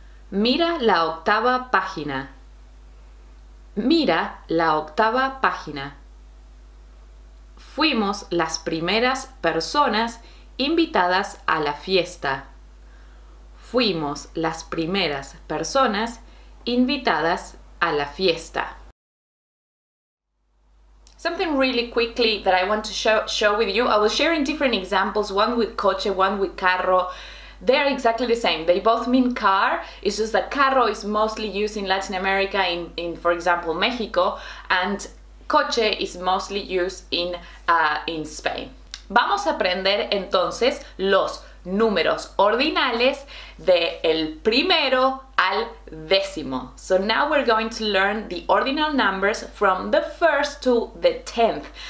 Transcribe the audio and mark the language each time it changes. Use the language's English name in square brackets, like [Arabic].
[Spanish] Mira la octava página. Mira la octava página. Fuimos las primeras personas invitadas a la fiesta. Fuimos las primeras personas invitadas a la fiesta. [English] Something really quickly that I want to show with you. I was sharing different examples, one with coche, one with carro. They are exactly the same. They both mean car. It's just that carro is mostly used in Latin America, in for example, Mexico, and coche is mostly used in Spain. [Spanish] Vamos a aprender entonces los números ordinales de el primero al décimo. [English] So now we're going to learn the ordinal numbers from the first to the tenth.